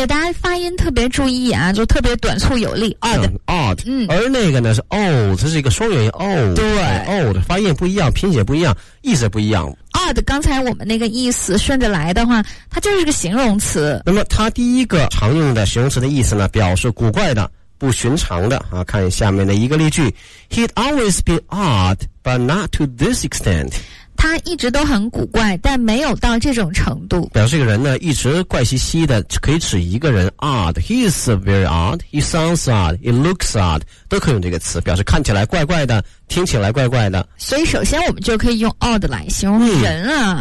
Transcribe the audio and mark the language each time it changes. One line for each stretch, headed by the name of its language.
Chinese: 对，大家发音特别注意啊，就特别短促有力 ODD、而那个呢是 OLD， 这是一个双元音 OLD。对， OLD 发音不一样，拼写不一样，意思不一样。 odd 刚才我们那个意思顺着来的话，它就是个形容词。那么它第一个常用的形容词的意思呢，表示古怪的，不寻常的啊。看下面的一个例句，
English: He'd always been odd but not to this extent，
Chinese: 他一直都很古怪但没有到这种程度。表示这个人呢一直怪兮兮的，可以指一个人 odd，
English: He is very odd， He sounds odd， He looks odd，
Chinese: 都可以用这个词表示看起来怪怪的，听起来怪怪的。所以首先我们就可以用 odd 来形容人啊、